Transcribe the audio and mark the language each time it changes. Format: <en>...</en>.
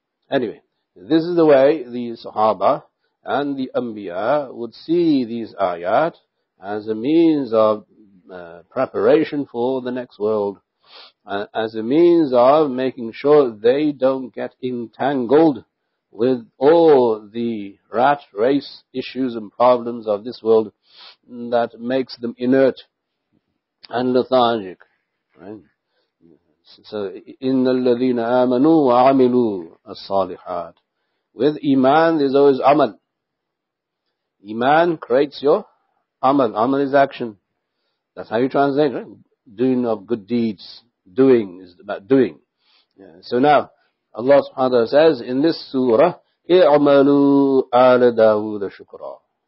<en>Anyway, this is the way the Sahaba and the Anbiya would see these ayat as a means of preparation for the next world, as a means of making sure they don't get entangled with all the rat race issues and problems of this world that makes them inert and lethargic. Right? So,</en> <ar>إِنَّ الَّذِينَ آمَنُوا وَعَمِلُوا الصَّالِحَاتِ.</ar> <en>With iman, there's always amal. Iman creates your amal. Amal is action. That's how you translate, right? Doing of good deeds. Doing is about doing. So now, Allah subhanahu wa ta'ala says in this surah,</en> <ar>اِعْمَلُوا آلَ دَاوُدَ شُكْرًا.</ar>